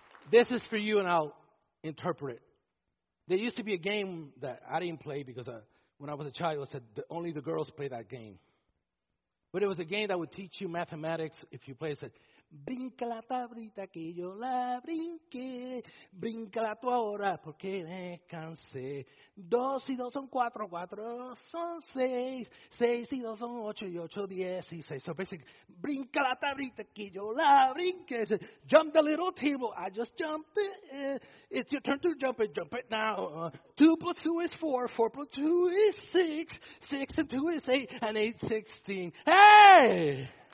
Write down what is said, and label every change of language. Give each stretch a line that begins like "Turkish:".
English: This is for you, and I'll interpret it. There used to be a game that I didn't play because when I was a child, I said only the girls play that game. But it was a game that would teach you mathematics if you play. It said,
Spanish: brinca la tablita que yo la brinque, brinca la tu hora porque me cansé. Dos y dos son cuatro, cuatro son seis, seis y dos son ocho y ocho diez y seis.
English: So basically,
Spanish: brinca la tablita que yo la brinque.
English: It said, jump the little table, I just jumped it. It's your turn to jump it now. 2 plus 2 is 4, 4 plus 2 is 6, 6 and 2 is 8, and 8 is 16. Hey!